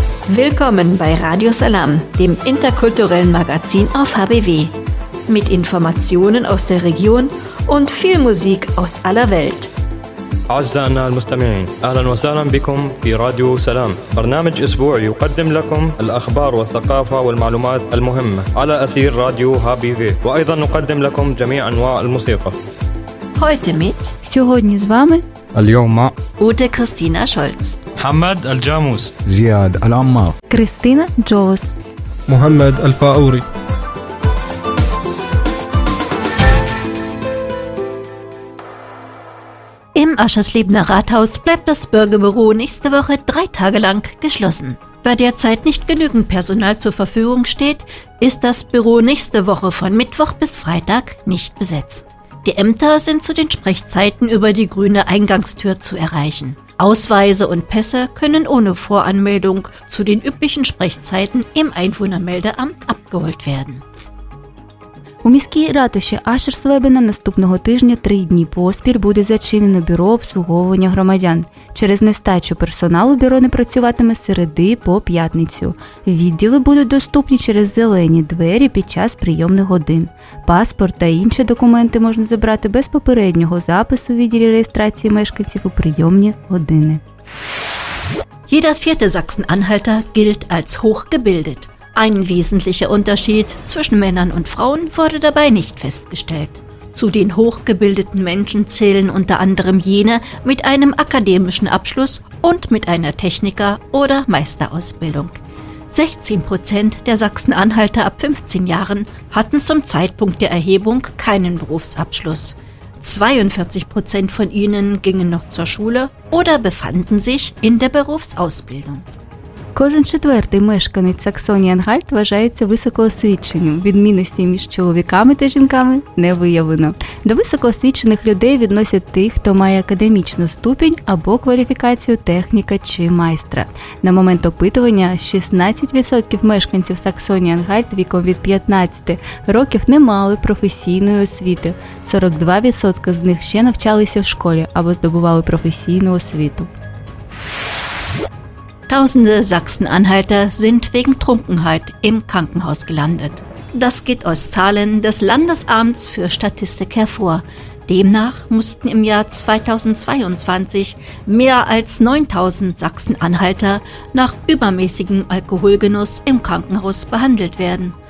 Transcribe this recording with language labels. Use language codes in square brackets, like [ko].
[de] Willkommen bei Radio Salam, dem interkulturellen Magazin auf HBW. Mit Informationen aus der Region und viel Musik aus aller Welt. [ar] أعزائنا المستمعين أهلا وسهلا بكم في راديو سلام برنامج أسبوع يقدم لكم الأخبار والثقافة والمعلومات المهمة على أثير راديو هابي في وأيضا نقدم لكم جميع أنواع الموسيقى [de] Heute mit [ru] Сегодня с вами [ar] اليوم مع [de] Ute Christina Scholz [ar] محمد الجاموس زياد العمار كريستينا جوز محمد الفاوري [de] Im Aschersleben Rathaus bleibt das Bürgerbüro nächste Woche 3 Tage lang geschlossen. Weil derzeit nicht genügend Personal zur Verfügung steht, ist das Büro nächste Woche von Mittwoch bis Freitag nicht besetzt. Die Ämter sind zu den Sprechzeiten über die grüne Eingangstür zu erreichen. Ausweise und Pässe können ohne Voranmeldung zu den üblichen Sprechzeiten im Einwohnermeldeamt abgeholt werden. [uk] У міській ратуші Ашерсвебена наступного тижня 3 дні поспіль буде зачинено бюро обслуговування громадян. Через нестачу персоналу бюро не працюватиме з середи по п'ятницю. Відділи будуть доступні через зелені двері під час прийомних годин. Паспорт та інші документи можна забрати без попереднього запису в відділі реєстрації мешканців у прийомні години. [de] Jeder vierte Sachsen-Anhalter gilt als hochgebildet. Ein wesentlicher Unterschied zwischen Männern und Frauen wurde dabei nicht festgestellt. Zu den hochgebildeten Menschen zählen unter anderem jene mit einem akademischen Abschluss und mit einer Techniker- oder Meisterausbildung. 16% der Sachsen-Anhalter ab 15 Jahren hatten zum Zeitpunkt der Erhebung keinen Berufsabschluss. 42% von ihnen gingen noch zur Schule oder befanden sich in der Berufsausbildung. [uk] Кожен четвертий мешканець Саксонії-Анхальт вважається високоосвіченим. Відмінності між чоловіками та жінками не виявлено. До високоосвічених людей відносять тих, хто має академічну ступінь або кваліфікацію техніка чи майстра. На момент опитування 16% мешканців Саксонії-Анхальт віком від 15 років не мали професійної освіти. 42% з них ще навчалися в школі або здобували професійну освіту. [de] Tausende Sachsen-Anhalter sind wegen Trunkenheit im Krankenhaus gelandet. Das geht aus Zahlen des Landesamts für Statistik hervor. Demnach mussten im Jahr 2022 mehr als 9000 Sachsen-Anhalter nach übermäßigem Alkoholgenuss im Krankenhaus behandelt werden.